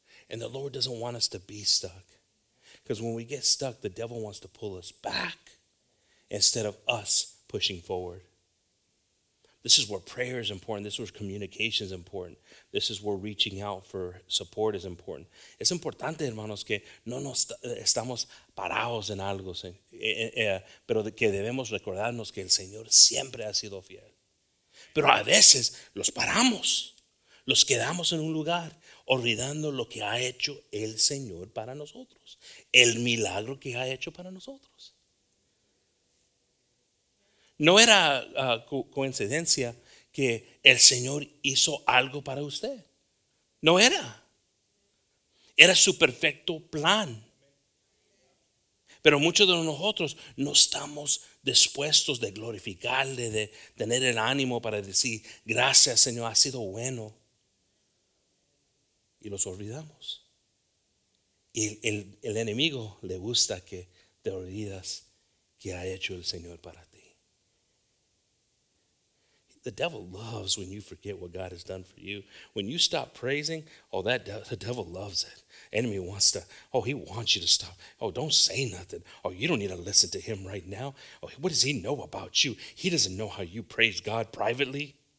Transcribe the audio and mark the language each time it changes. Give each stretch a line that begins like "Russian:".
English: And the Lord doesn't want us to be stuck. Because when we get stuck, the devil wants to pull us back instead of us pushing forward. This is where prayer is important. This is where communication is important. This is where reaching out for support is important.
Spanish: Es importante, hermanos, que no nos estamos parados en algo, pero que debemos recordarnos que el Señor siempre ha sido fiel. Pero a veces los paramos, los quedamos en un lugar, olvidando lo que ha hecho el Señor para nosotros, el milagro que ha hecho para nosotros. No era coincidencia que el Señor hizo algo para usted. No era. Era su perfecto plan. Pero muchos de nosotros no estamos dispuestos de glorificarle, de tener el ánimo para decir, gracias Señor, ha sido bueno. Y los olvidamos. Y el enemigo le gusta que te olvidas que ha hecho el Señor para ti.
English: The devil loves when you forget what God has done for you. When you stop praising, oh, that the devil loves it. Enemy wants to, oh, he wants you to stop. Oh, don't say nothing. Oh, you don't need to listen to him right now. Oh, what does he know about you? He doesn't know how you praise God privately.